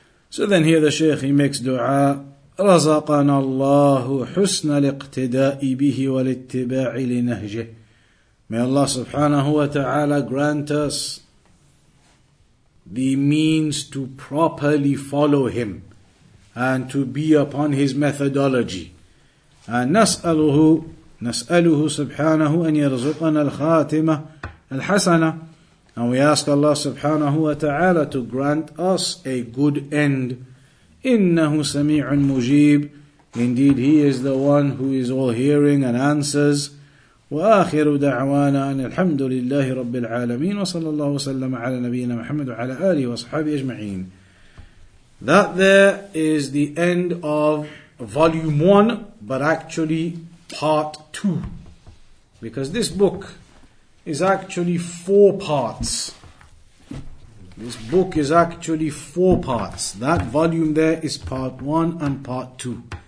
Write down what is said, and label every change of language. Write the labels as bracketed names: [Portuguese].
[English] So then here the Shaykh, he makes dua, [Arabic] رَزَقَنَا اللَّهُ حُسْنَ الْاِقْتِدَاءِ بِهِ وَالِاتِّبَاعِ لِنَهْجِهِ. [English] May Allah subhanahu wa ta'ala grant us the means to properly follow him and to be upon his methodology. [Arabic] And نسأله سبحانه أن يرزقنا الخاتمة الحسنة. [English] And we ask Allah subhanahu wa ta'ala to grant us a good end. [Arabic] إنه سميع مجيب. [English] Indeed, he is the one who is all hearing and answers. [Arabic] وآخر دعوانا أن الحمد لله رب العالمين وصلى الله وسلم على نبينا محمد وعلى آله وصحبه أجمعين. [English] That there is the end of volume 1, but actually part 2. Because this book is actually 4 parts. This book is actually 4 parts. That volume there is part 1 and part 2.